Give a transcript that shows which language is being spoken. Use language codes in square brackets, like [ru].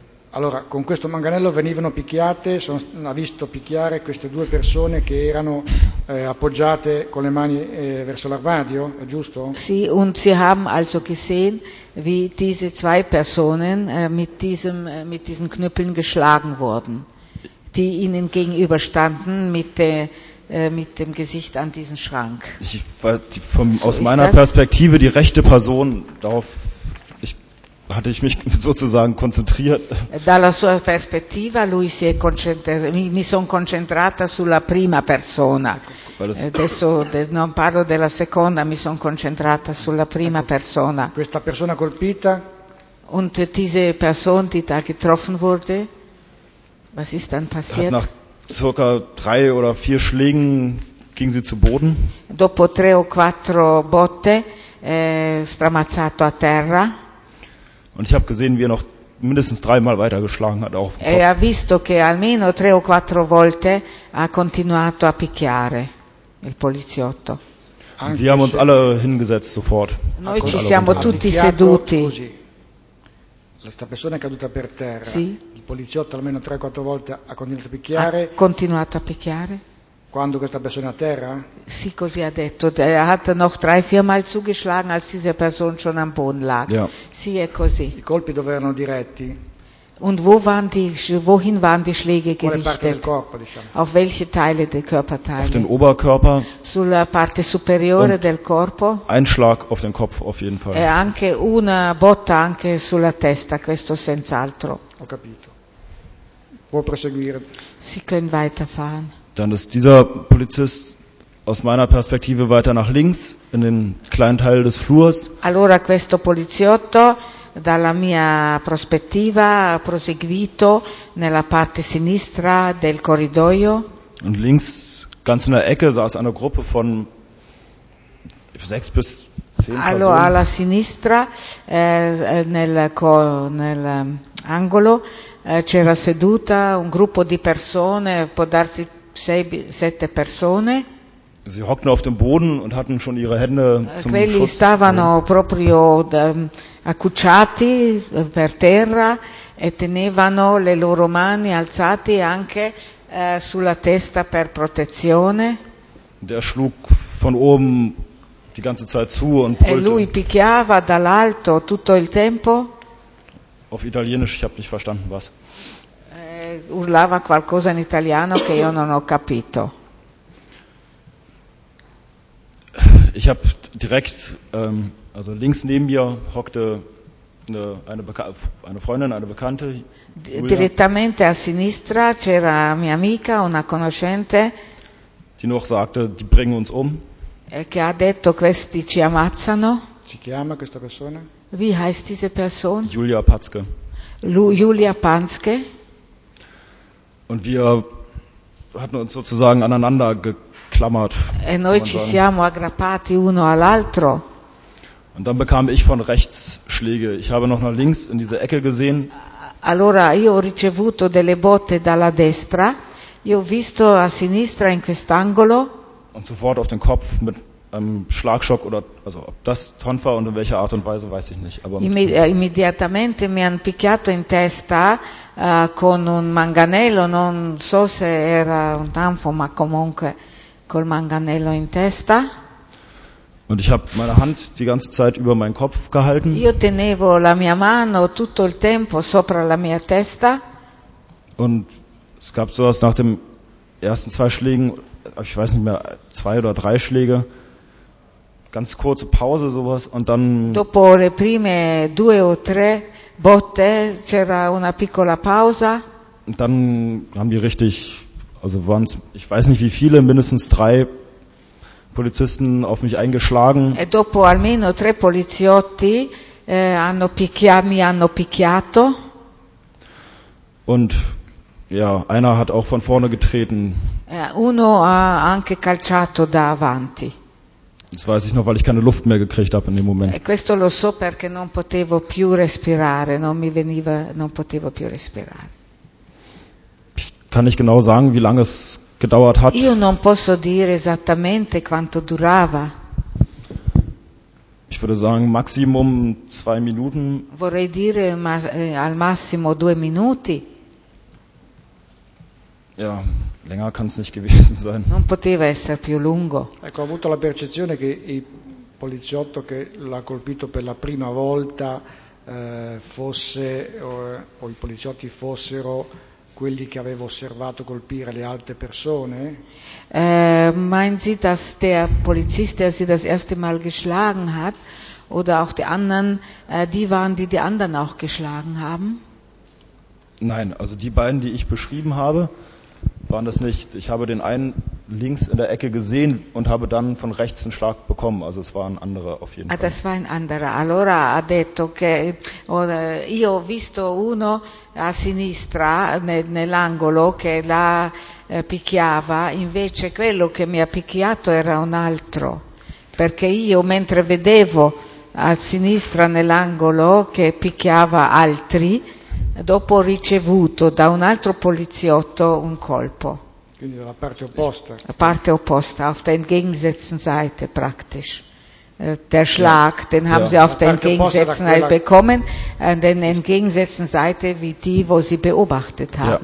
[it] Allora, con questo manganello venivano picchiate, ha visto picchiare queste due persone che erano appoggiate con le mani verso l'armadio, è giusto? [de] Sì, und sie haben also gesehen, wie diese zwei Personen mit diesen Knüppeln geschlagen wurden, die ihnen gegenüberstanden mit dem Gesicht an diesen Schrank. Aus meiner Perspektive die rechte Person darauf. Hatte ich mich sozusagen konzentriert. [it] Dalla sua perspettiva lui si è concentrato, mi sono concentrata sulla prima persona. Adesso non parlo della seconda, mi sono concentrata sulla prima persona. Questa persona colpita. [de] Und diese Person, die da getroffen wurde, was ist dann passiert? Nach circa 3 oder 4 Schlägen ging sie zu Boden. [it] Dopo 3 o 4 botte, stramazzato a terra. [de] Und ich habe gesehen, wie er noch mindestens 3 Mal weitergeschlagen hat, auch auf den Kopf. [it] Ha visto che almeno 3 o 4 volte ha continuato a picchiare il poliziotto. [de] Wir haben uns alle hingesetzt sofort. [it] Noi ci siamo tutti seduti. Questa persona è caduta per terra. Sì. Il poliziotto almeno 3 o 4 volte ha continuato a picchiare. Ha continuato a picchiare. Quando questa persona è a terra? Sì, così ha detto. [de] Er hat noch 3-4 Mal zugeschlagen, als diese Person schon am Boden lag. Ja. [it] Sì, è così. I colpi dove erano diretti? [de] Und wo waren die, wohin waren die Schläge gerichtet? [it] Quale parte del corpo, diciamo? [de] Auf welche Teile der Körperteile? Auf den Oberkörper. [it] Sulla parte superiore del corpo. [de] Ein Schlag auf den Kopf, auf jeden Fall. [it] E anche una botta anche sulla testa, questo senz'altro. Ho capito. Può proseguire. [de] Sie können weiterfahren. Dann ist dieser Polizist aus meiner Perspektive weiter nach links in den kleinen Teil des Flurs. [it] Allora questo poliziotto dalla mia prospettiva ha proseguito nella parte sinistra del corridoio. [de] Und links ganz in der Ecke saß eine Gruppe von 6 bis 10 [it] Allora [de] Personen. [it] Alla sinistra nel angolo c'era seduta un gruppo di persone, può darsi 6-7 persone. [de] Sie hockten auf dem Boden und hatten schon ihre Hände zum [it] Quelli [de] Schutz. [it] Stavano proprio accucciati per terra e tenevano le loro mani alzate anche sulla testa per protezione. [de] Der schlug von oben die ganze Zeit zu und brüllte. [it] E lui picchiava dall'alto tutto il tempo. [de] Auf Italienisch, ich habe nicht verstanden was. [it] Urlava qualcosa in italiano che io non ho capito. [de] Ich habe direkt, also links neben mir hockte eine Freundin, eine Bekannte. [it] Direttamente a sinistra c'era mia amica, una conoscente. [de] Die noch sagte, die bringen uns um. [it] E che ha detto, questi ci ammazzano. Si chiama questa persona? [de] Wie heißt diese Person? Julia Patzke. Julia Patzke. Und wir hatten uns sozusagen aneinander geklammert. [it] E noi ci siamo aggrappati uno all'altro. [de] Und dann bekam ich von rechts Schläge. Ich habe noch nach links in diese Ecke gesehen. [it] Allora io ho ricevuto delle botte dalla destra. Io ho visto a sinistra in quest'angolo. [de] Und sofort auf den Kopf mit einem Schlagschock oder also ob das Tonfa und in welcher Art und Weise weiß ich nicht. Aber [it] immediatamente mi han picchiato in testa. Con un manganello, non so se era un tanfo, ma comunque col manganello in testa. [de] Und ich habe meine Hand die ganze Zeit über meinen Kopf gehalten. [it] Io tenevo la mia mano tutto il tempo sopra la mia testa. [de] Und es gab sowas nach dem ersten zwei Schlägen, ich weiß nicht mehr, zwei oder drei Schläge, ganz kurze Pause sowas und dann. [it] Dopo le prime due o tre botte c'era una piccola pausa. [de] Und dann haben die richtig, also waren es, ich weiß nicht wie viele, mindestens drei Polizisten auf mich eingeschlagen. [it] E dopo almeno tre poliziotti mi hanno picchiato. [de] Und ja, einer hat auch von vorne getreten. [it] Uno ha anche calciato da avanti. [de] Das weiß ich noch, weil ich keine Luft mehr gekriegt habe in dem Moment. [it] E questo lo so perché non potevo più respirare, non mi veniva, non potevo più respirare. [de] Ich kann nicht genau sagen, wie lange es gedauert hat. [it] Io non posso dire esattamente quanto durava. [de] Ich würde sagen, maximum zwei Minuten. [it] Vorrei dire al massimo due minuti. [de] Ja, länger kann es nicht gewesen sein. [it] Non poteva essere più lungo. Ecco, ho avuto la percezione che il poliziotto che l'ha colpito per la prima volta fosse o i poliziotti fossero quelli che avevo osservato colpire le altre persone. [de] Meinen Sie, dass der Polizist, der Sie das erste Mal geschlagen hat, oder auch die anderen, die waren, die die anderen auch geschlagen haben? Nein, also die beiden, die ich beschrieben habe, waren das nicht. Ich habe den einen links in der Ecke gesehen und habe dann von rechts einen Schlag bekommen. Also es waren andere auf jeden Fall. Ah, das war ein anderer. [it] Allora ha detto che io ho visto uno a sinistra nell'angolo che la picchiava, invece quello che mi ha picchiato era un altro, perché io mentre vedevo a sinistra nell'angolo che picchiava altri, dopo ho ricevuto da un altro poliziotto un colpo. Quindi dalla parte opposta. La parte opposta, [de] auf der entgegengesetzten Seite praktisch. Der Schlag, ja. Den haben ja. Sie auf der entgegengesetzten Seite [it] quella... [de] bekommen, an der entgegengesetzten Seite wie die, wo Sie beobachtet haben.